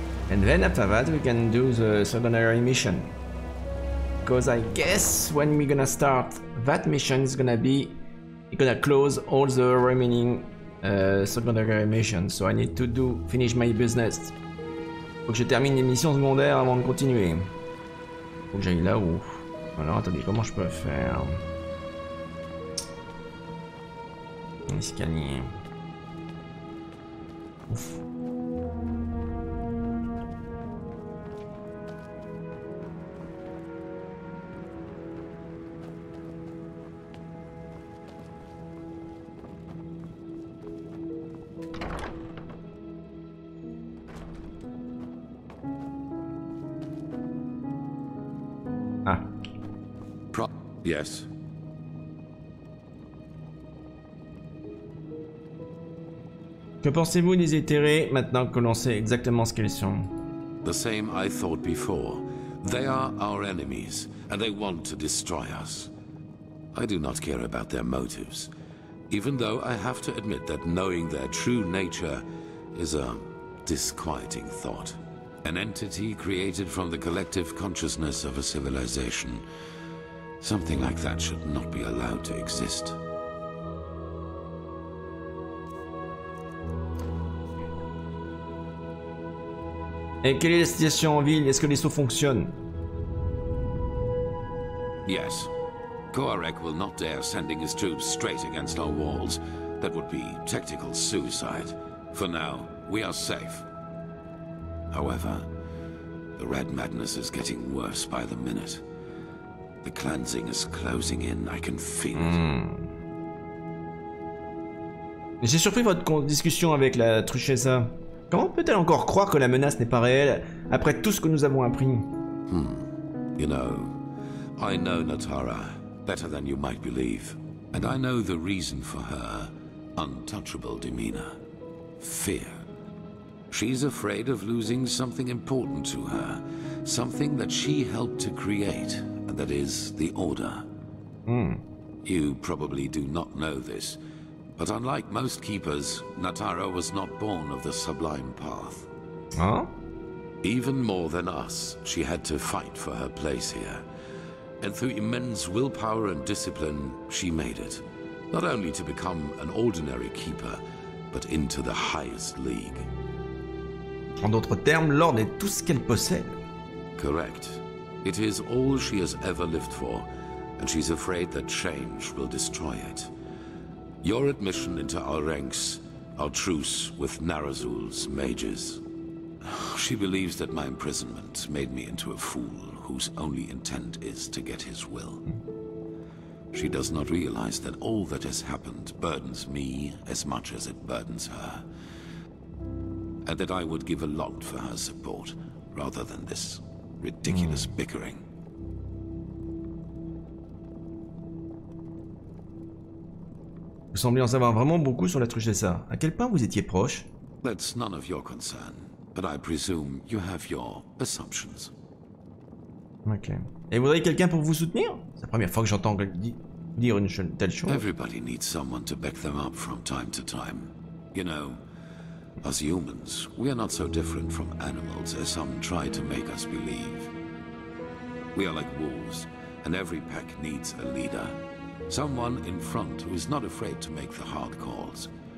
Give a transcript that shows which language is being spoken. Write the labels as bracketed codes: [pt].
[en] And then after that we can do the secondary mission. Because I guess when we're gonna start that mission is gonna be gonna close all the remaining secondary missions. So I need to do finish my business. [fr] Faut que je termine les missions secondaires avant de continuer. Faut que j'aille là où. Alors attendez, comment je peux faire? Escalier. Ouf. [en] Yes. [fr] Que pensez-vous des éthérés maintenant que l'on sait exactement ce qu'ils sont? [en] The same I thought before. They are our enemies, and they want to destroy us. I do not care about their motives, even though I have to admit that knowing their true nature is a disquieting thought. An entity created from the collective consciousness of a civilization. Something like that should not be allowed to exist. [fr] Et quelle est la situation en ville? Est-ce que les sauts fonctionnent? [en] Yes. Korek will not dare sending his troops straight against our walls. That would be tactical suicide. For now, we are safe. However, the Red Madness is getting worse by the minute. The cleansing is closing in, I can feel it. [fr] Mais j'ai surpris votre discussion avec la Truchessa. Comment peut-elle encore croire que la menace n'est pas réelle après tout ce que nous avons appris? [en] You know, I know Natara better than you might believe. And I know the reason for her untouchable demeanor. Fear. She's afraid of losing something important to her. Something that she helped to create, and that is the Order. You probably do not know this. But unlike most keepers, Natara was not born of the Sublime Path. Huh? Even more than us, she had to fight for her place here. And through immense willpower and discipline, she made it. Not only to become an ordinary keeper, but into the highest league. [fr] En d'autres termes, l'ordre est tout ce qu'elle possède. [en] Correct. It is all she has ever lived for, and she's afraid that change will destroy it. Your admission into our ranks, our truce with Narazul's mages. She believes that my imprisonment made me into a fool whose only intent is to get his will. She does not realize that all that has happened burdens me as much as it burdens her. And that I would give a lot for her support rather than this ridiculous bickering. [fr] Vous semblez en savoir vraiment beaucoup sur la Truchessa. À quel point vous étiez proche? [en] That's none of your concern, but I presume you have your assumptions. [fr] Ok. Et vous avez quelqu'un pour vous soutenir? C'est la première fois que j'entends dire une telle chose. [en] Everybody needs someone to back them up from time to time. You know, as humans, we are not so different from animals as some try to make us believe. We are like wolves, and every pack needs a leader. Someone in front who is not afraid to make the hard calls.